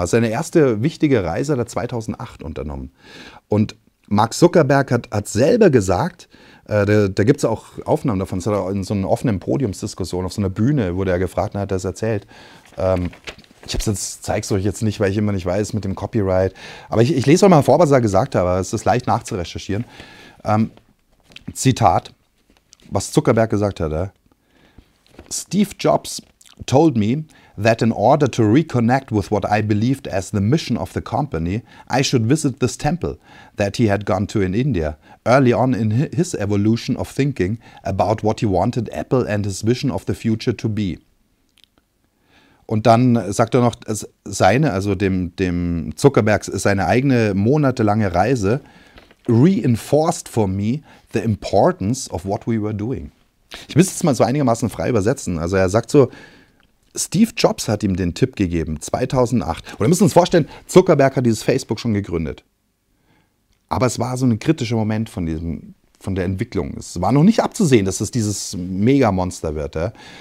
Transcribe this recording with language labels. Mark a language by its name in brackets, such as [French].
[German] Also seine erste wichtige Reise hat er 2008 unternommen. Und Mark Zuckerberg hat selber gesagt, da gibt es auch Aufnahmen davon, das hat er in so einer offenen Podiumsdiskussion auf so einer Bühne, wurde er gefragt und hat das erzählt. Zeig's euch jetzt nicht, weil ich immer nicht weiß mit dem Copyright. Aber ich lese euch mal vor, was er gesagt hat, aber es ist leicht nachzurecherchieren. Zitat, was Zuckerberg gesagt hat. [English] Steve Jobs told me that in order to reconnect with what I believed as the mission of the company, I should visit this temple that he had gone to in India early on in his evolution of thinking about what he wanted Apple and his vision of the future to be. [German] Und dann sagt er noch, seine, also dem Zuckerbergs, seine eigene monatelange Reise [English] reinforced for me the importance of what we were doing. [German] Ich müsste es mal so einigermaßen frei übersetzen. Also er sagt so, Steve Jobs hat ihm den Tipp gegeben, 2008. Und wir müssen uns vorstellen, Zuckerberg hat dieses Facebook schon gegründet. Aber es war so ein kritischer Moment von der Entwicklung. Es war noch nicht abzusehen, dass es dieses Mega-Monster wird. Ja?